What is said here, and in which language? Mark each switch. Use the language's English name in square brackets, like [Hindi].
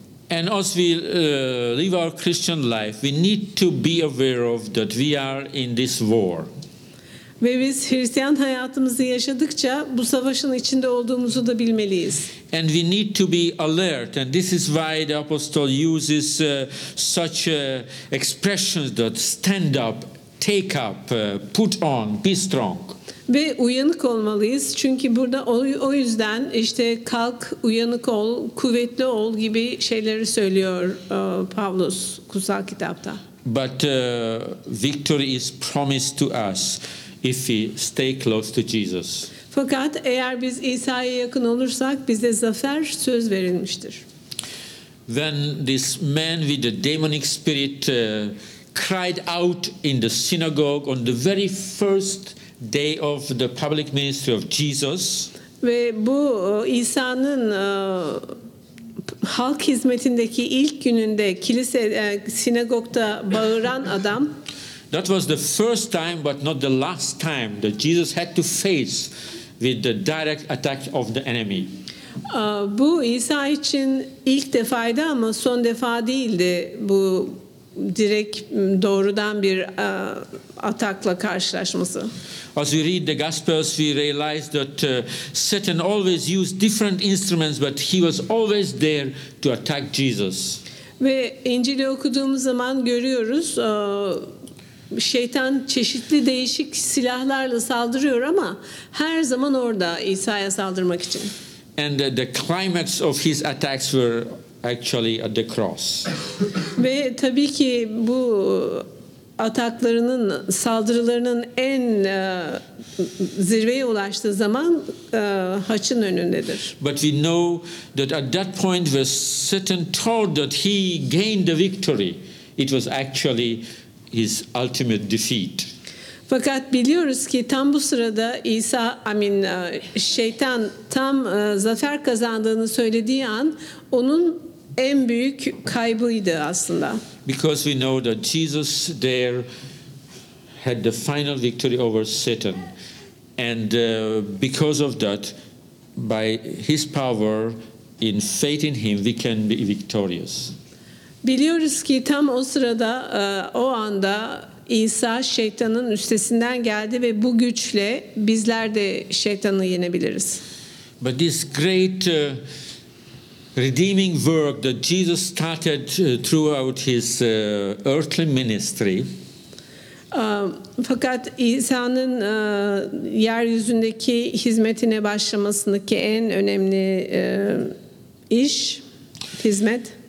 [English] And as we live our Christian life, we need to be aware of that we are in this war. [Turkish] Ve biz Hristiyan hayatımızı yaşadıkça bu savaşın içinde olduğumuzu da bilmeliyiz. [English] And we need to be alert, and this is why the apostle uses such expressions that stand up, take up, put on, be strong. [Turkish] Ve uyanık olmalıyız çünkü burada o yüzden işte kalk, uyanık ol, kuvvetli ol gibi şeyleri söylüyor Paulus Kutsal Kitap'ta. [English] But victory is promised to us if we stay close to Jesus. [Turkish] Fakat eğer biz İsa'ya yakın olursak bize zafer söz verilmiştir. [English] Then this man with the demonic spirit cried out in the synagogue on the very first day of the public ministry of Jesus. [Turkish] Ve bu İsa'nın halk hizmetindeki ilk gününde kilise sinagogda bağıran adam. [English] That was the first time but not the last time that Jesus had to face with the direct attack of the enemy. [Turkish] Bu İsa için ilk defaydı ama son defa değildi bu direkt doğrudan bir atakla karşılaşması. [English] As we read the Gospels, we realize that Satan always used different instruments, but he was always there to attack Jesus. [Turkish] Ve İncil'i okuduğumuz zaman görüyoruz, şeytan çeşitli değişik silahlarla saldırıyor ama her zaman orada İsa'ya saldırmak için. [English] And the climax of his attacks were actually at the cross. [Turkish] Ve tabii ki bu ataklarının, saldırılarının en zirveye ulaştığı zaman haçın önündedir. [English] But we know that at that point where Satan thought that he gained the victory, it was actually his ultimate defeat. [Turkish] Fakat biliyoruz ki tam bu sırada İsa, şeytan tam zafer kazandığını söylediği an onun en büyük kaybıydı aslında. [English] Because we know that Jesus there had the final victory over Satan. And because of that, by his power, in faith in him, we can be victorious. [Turkish] Biliyoruz ki tam o sırada, o anda İsa şeytanın üstesinden geldi ve bu güçle bizler de şeytanı yenebiliriz. [English] But this great redeeming work that Jesus started throughout his earthly ministry. [Turkish] Fakat İsa'nın yeryüzündeki hizmetine başlamasındaki en önemli iş, hizmet